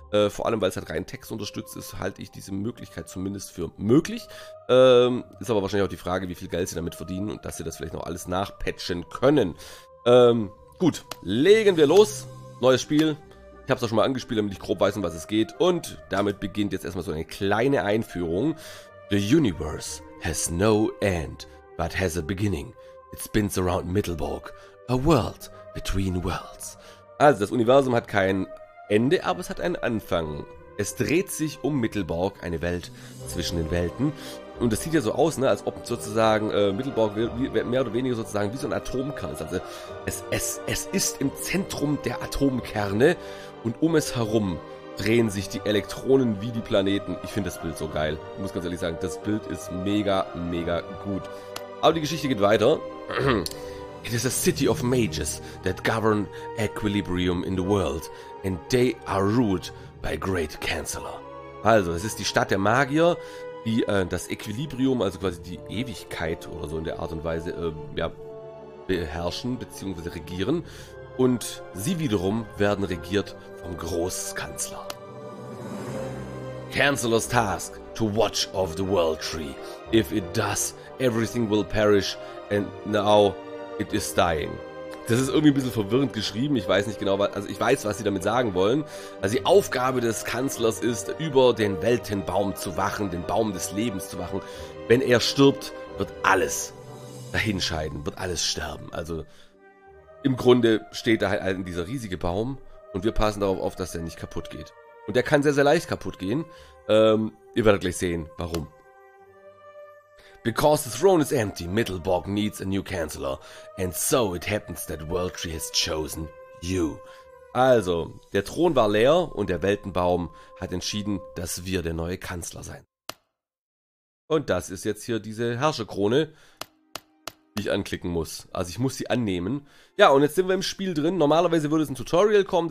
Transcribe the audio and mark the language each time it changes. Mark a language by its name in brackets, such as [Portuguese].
[German] Vor allem, weil es halt rein Text unterstützt ist, halte ich diese Möglichkeit zumindest für möglich. Ist aber wahrscheinlich auch die Frage, wie viel Geld sie damit verdienen und dass sie das vielleicht noch alles nachpatchen können. Gut, legen wir los. Neues Spiel. Ich habe es auch schon mal angespielt, damit ich grob weiß, um was es geht. Und damit beginnt jetzt erstmal so eine kleine Einführung. [English] The universe has no end, but has a beginning. It spins around Mittelborg, a world between worlds. [German] Also das Universum hat kein Ende, aber es hat einen Anfang. Es dreht sich um Mittelborg, eine Welt zwischen den Welten. Und das sieht ja so aus, ne, als ob sozusagen Mittelborg mehr oder weniger sozusagen wie so ein Atomkern ist. Also es ist im Zentrum der Atomkerne und um es herum drehen sich die Elektronen wie die Planeten. Ich finde das Bild so geil. Ich muss ganz ehrlich sagen, das Bild ist mega, mega gut. Aber die Geschichte geht weiter. [English] It is a city of mages that govern equilibrium in the world and they are ruled by great chancellor. [German] Also, es ist die Stadt der Magier, die das Equilibrium, also quasi die Ewigkeit oder so in der Art und Weise, beherrschen bzw. regieren. Und sie wiederum werden regiert vom Großkanzler. [English] Chancellor's task, to watch over the world tree. If it does, everything will perish and now it is dying. [German] Das ist irgendwie ein bisschen verwirrend geschrieben, ich weiß nicht genau, was sie damit sagen wollen. Also die Aufgabe des Kanzlers ist, über den Weltenbaum zu wachen, den Baum des Lebens zu wachen. Wenn er stirbt, wird alles dahinscheiden, wird alles sterben. Also im Grunde steht da halt dieser riesige Baum und wir passen darauf auf, dass der nicht kaputt geht. Und der kann sehr, sehr leicht kaputt gehen. Ihr werdet gleich sehen, warum. [English] Because the throne is empty, Mittelborg needs a new chancellor. And so it happens that Worldtree has chosen you. [German] Also, der Thron war leer und der Weltenbaum hat entschieden, dass wir der neue Kanzler sein. Und das ist jetzt hier diese Herrscherkrone, die ich anklicken muss. Also ich muss sie annehmen. Ja, und jetzt sind wir im Spiel drin. Normalerweise würde es ein Tutorial kommen.